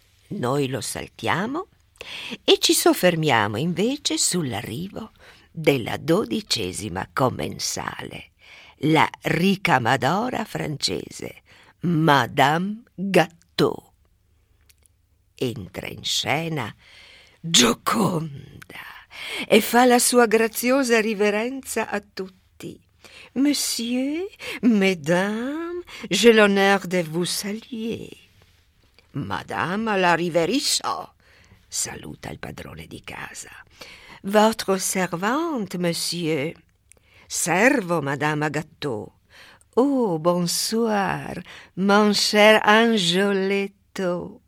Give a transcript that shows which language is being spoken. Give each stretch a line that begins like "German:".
Italian: Noi lo saltiamo e ci soffermiamo invece sull'arrivo della 12ª commensale, la ricamadora francese, Madame Gâteau. Entra in scena Gioconda e fa la sua graziosa riverenza a tutti.
French: Monsieur, mesdames, j'ai l'honneur de vous saluer.
Italian: Madame la riverisso, saluta il padrone di casa.
French: Votre servante, monsieur.
Italian: Servo,
French: Madame Gâteau. Oh, bonsoir, mon cher Anzoletto.